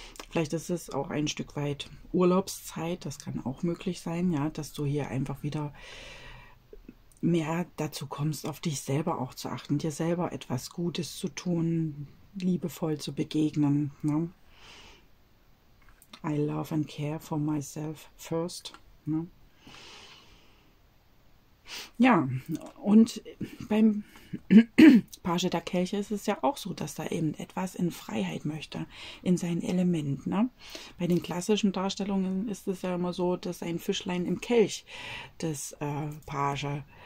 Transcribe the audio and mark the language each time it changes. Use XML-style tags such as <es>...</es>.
<de>Vielleicht ist es auch ein Stück weit Urlaubszeit, das kann auch möglich sein, ja, dass du hier einfach wieder mehr dazu kommst, auf dich selber auch zu achten, dir selber etwas Gutes zu tun, liebevoll zu begegnen. Ne?</de> <en>I love and care for myself first.</en> <de>Ne? Ja, und beim Page der Kelche ist es ja auch so, dass da eben etwas in Freiheit möchte, in sein Element. Ne? Bei den klassischen Darstellungen ist es ja immer so, dass ein Fischlein im Kelch des Page</de>